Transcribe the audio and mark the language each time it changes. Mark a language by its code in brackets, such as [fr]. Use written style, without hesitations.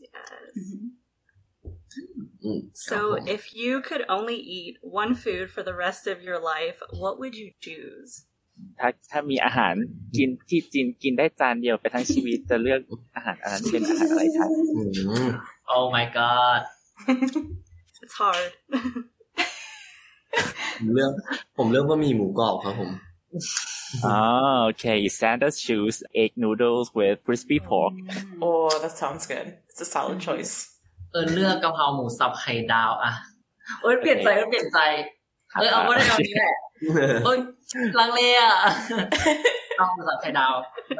[en] yes so if you could only eat one food for the rest of your life what would you choose [th] ถ้ามีอาหารกินที่จีนกินได้จานเดียวไปทั้งชีวิตจะเลือกอาหารอันนั้นเป็นอาหารอะไรครับ [en] Oh my god It's hard [th] ผมเลือกว่ามีหมูกรอบครับผม [en] Okay Sanders choose egg noodles with crispy pork Oh that sounds good It's a solid choice [th] เลือกกะเพราหมูสับไข่ดาวอ่ะเปลี่ยนใจเอาก็ได้เอานี้แหละลังเลอ่ะกะเพราหมูสับไข่ดาวม